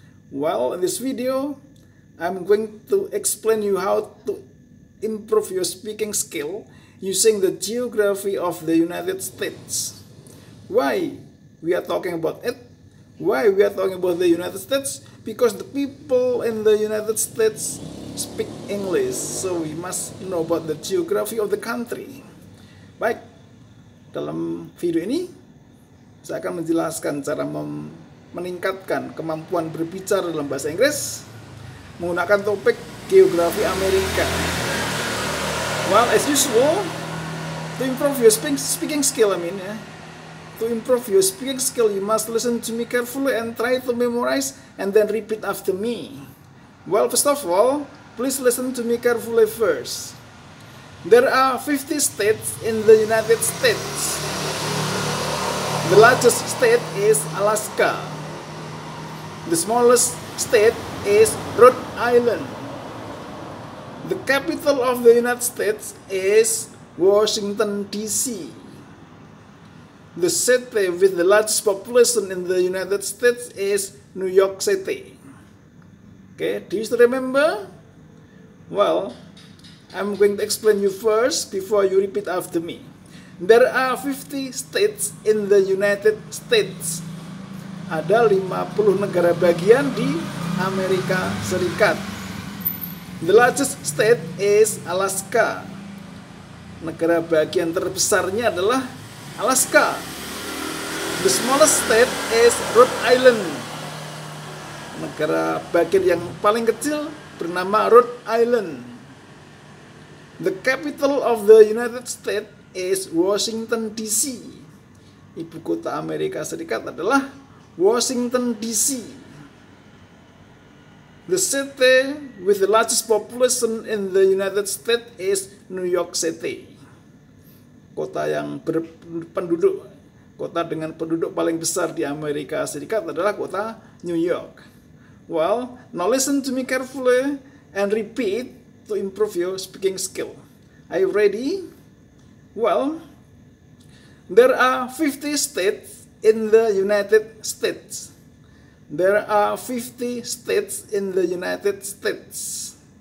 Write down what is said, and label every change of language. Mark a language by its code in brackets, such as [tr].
[en] Well, in this video, I'm going to explain you how to improve your speaking skill using the geography of the United States. Why we are talking about it? Why we are talking about the United States? Because the people in the United States speak English, so we must know about the geography of the country. [id] Baik, dalam video ini saya akan menjelaskan cara meningkatkan kemampuan berbicara dalam bahasa Inggris menggunakan topik geografi Amerika. [en] Well, as usual, to improve your speaking skill, to improve your speaking skill, you must listen to me carefully and try to memorize and then repeat after me. Well, first of all, please listen to me carefully first. There are 50 states in the United States. The largest state is Alaska. The smallest state is Rhode Island. The capital of the United States is Washington, D.C. The city with the largest population in the United States is New York City. Okay, do you still remember? Well, I'm going to explain you first before you repeat after me. There are 50 states in the United States. [id] Ada 50 negara bagian di Amerika Serikat. [en] The largest state is Alaska. [id] Negara bagian terbesarnya adalah Alaska. [en] The smallest state is Rhode Island. [id] Negara bagian yang paling kecil bernama Rhode Island. [en] The capital of the United States is Washington, D.C. [id] Ibu kota Amerika Serikat adalah Washington, D.C. [en] The city with the largest population in the United States is New York City. [id] Kota yang berpenduduk, kota dengan penduduk paling besar di Amerika Serikat adalah kota New York. [en] Well, now listen to me carefully and repeat to improve your speaking skill. Are you ready? Well, there are 50 states in the United States. There are 50 states in the United States.